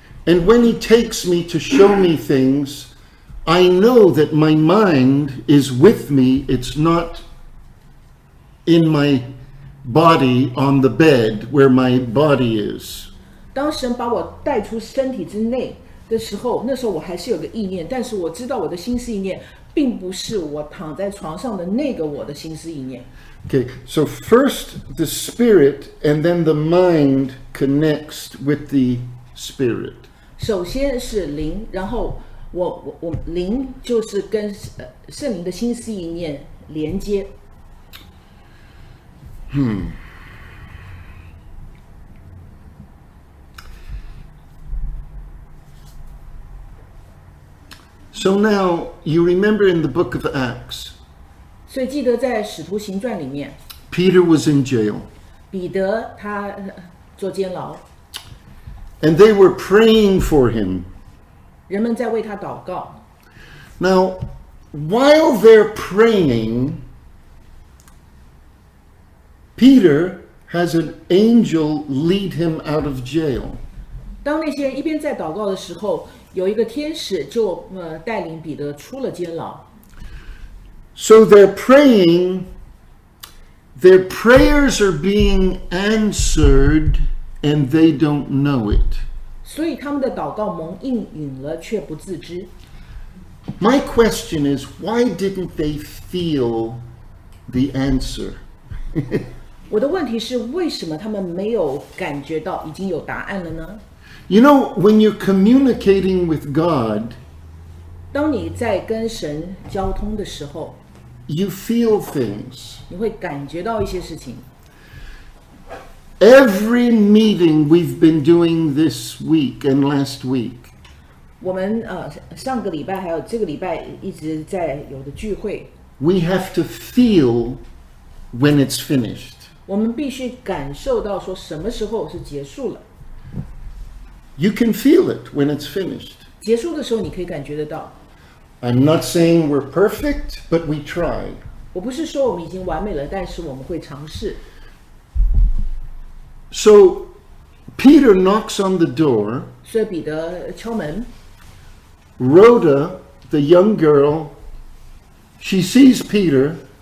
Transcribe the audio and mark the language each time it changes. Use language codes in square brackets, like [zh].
[en] And when He takes me to show me things, I know that my mind is with me. It's not in my body on the bed where my body is. [zh] 当神把我带出身体之内的时候，那时候我还是有个意念，但是我知道我的心思意念并不是我躺在床上的那个我的心思意念。 [en] Okay, so first the spirit and then the mind connects with the spirit. [zh] 首先是灵，然后我灵就是跟圣灵的心思意念连接。 [en] So now you remember in the book of Acts. [zh] 所以记得在《使徒行传》里面。 [en] Peter was in jail. [zh] 彼得他坐监牢。 [en] And they were praying for him. [zh] 人们在为他祷告。 [en] Now, while they're praying. Peter has an angel lead him out of jail. [zh] 当那些一边在祷告的时候，有一个天使就带领彼得出了监牢。 [en] So they're praying, their prayers are being answered, and they don't know it. [zh] 所以他们的祷告蒙应允了，却不自知。 [en] My question is, why didn't they feel the answer? [zh] 我的问题是，为什么他们没有感觉到已经有答案了呢？ [en] You know, when you're communicating with God, [zh] 当你在跟神交通的时候， [en] you feel things. [zh] 你会感觉到一些事情。 [en] Every meeting we've been doing this week and last week, [zh] 我们上个礼拜还有这个礼拜一直在有的聚会， [en] we have to feel when it's finished. [zh] 我们必须感受到说什么时候是结束了。 [en] You can feel it when it's finished. [zh] 结束的时候你可以感觉得到。 [en] I'm not saying we're perfect, but we try. [zh] 我不是说我们已经完美了，但是我们会尝试。 [en] So, Peter knocks on the door. [zh] 所以彼得敲门。 [en] Rhoda, the young girl, she sees Peter.